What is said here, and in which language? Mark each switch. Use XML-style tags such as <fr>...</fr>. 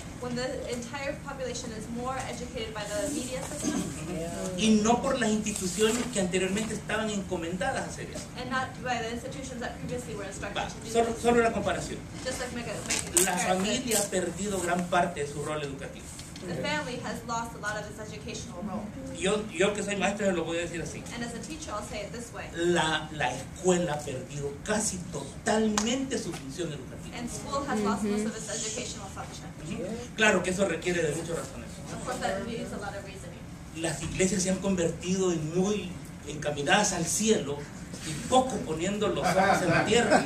<en>When the entire population is more educated by the media system.</en> <es>Y no por las instituciones que anteriormente estaban encomendadas a hacer eso.</es> <en>And not by the institutions that previously were instructed to do</en> <es>solo, solo la comparación.</es> <en>Just like</en> <es>la familia ha perdido gran parte de su rol educativo.</es> <en>The family has lost a lot of its educational role.</en> <es>Yo que soy maestro se lo voy a decir así.</es> <en>And as a teacher I'll say it this way.</en> <es>La escuela ha perdido casi totalmente su función educativa.</es> <en>And school has lost most of its educational function.</en> <es>Claro que eso requiere de muchas razones.</es> <en>Of course that needs a lot of reasoning.</en> <es>Las iglesias se han convertido en muy encaminadas al cielo y poco poniendo los ojos en la tierra.</es>